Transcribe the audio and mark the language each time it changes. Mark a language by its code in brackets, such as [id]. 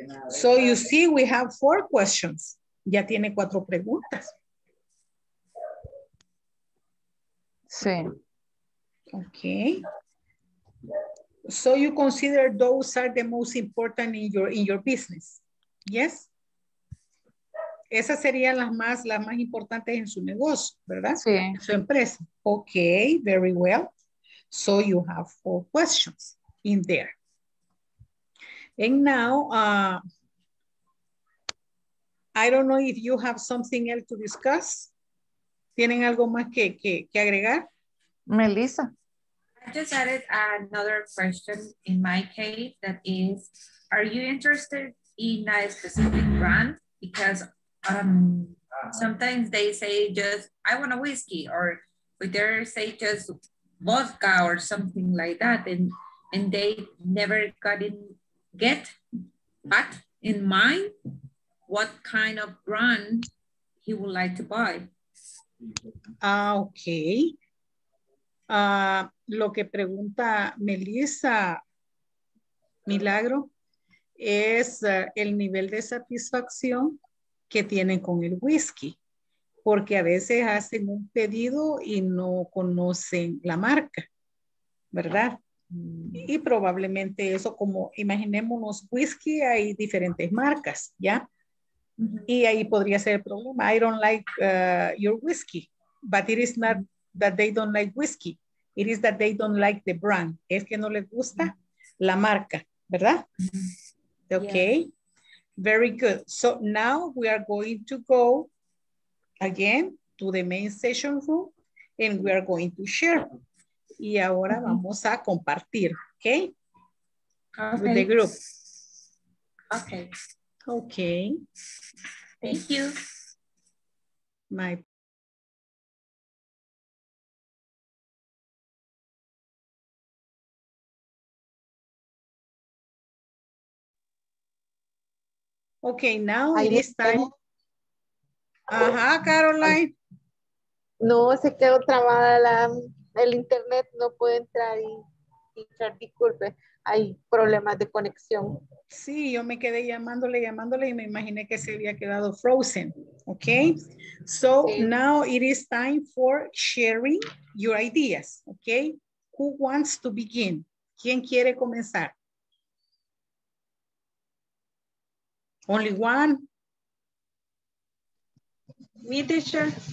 [en] So you see, we have four questions. [es] Ya tiene cuatro preguntas. Sí. [en] Okay. So you consider those are the most important in your business. Yes? [es] Esas serían las más importantes en su negocio, ¿verdad? Sí. En su empresa. [en] Okay, very well. So you have four questions in there. And now, I don't know if you have something else to discuss. [es] ¿Tienen algo más que agregar? [en] Melissa. I just added another question in my case that is, are you interested in a specific brand? Because sometimes they say just, I want a whiskey, or but they say just vodka or something like that, and they never got in, get back in mind what kind of brand he would like to buy. Okay. [es] Lo que pregunta Melissa Milagro es el nivel de satisfacción que tienen con el whisky, porque a veces hacen un pedido y no conocen la marca, ¿verdad? Y probablemente eso, como imaginémonos whisky, hay diferentes marcas, ¿ya? Y ahí podría ser el problema. [en] I don't like your whisky, but it is not that they don't like whisky. It is that they don't like the brand. [es] Es que no les gusta la marca, ¿verdad? [en] Okay. Yeah. Very good. So now we are going to go again to the main session room and we are going to share. [es] Y ahora vamos a compartir, okay? [en] Okay. With the group. Okay. Okay. Thank you. My okay, now it is time. [es] Ajá, Caroline. No, se quedó trabada el internet, no puedo entrar y entrar, disculpe, hay problemas de conexión. Sí, yo me quedé llamándole y me imaginé que se había quedado frozen. [en] Okay, so sí. Now it is time for sharing your ideas. Okay, who wants to begin? [es] ¿Quién quiere comenzar? [en] Only one. Me, teacher.